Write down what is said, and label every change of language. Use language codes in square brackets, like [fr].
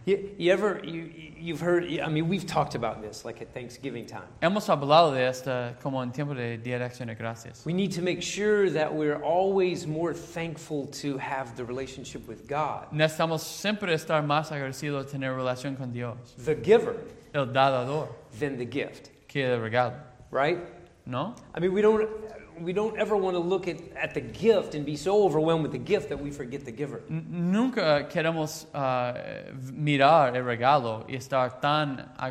[en] You've heard, I mean, we've talked about this, like at Thanksgiving time. [es] Hemos hablado de esto como en tiempo de Día de Acción de Gracias. [en] We need to make sure that we're always more thankful to have the relationship with God. [es] Necesitamos siempre estar más agradecidos a tener relación con Dios. [en] The giver. [es] El dador. [en] Than the gift. [es] Que el regalo. [en] Right? [es] No? [en] I mean, we don't ever want to look at the gift and be so overwhelmed with the gift that we forget the giver. [es] Nunca queremos mirar el regalo y estar tan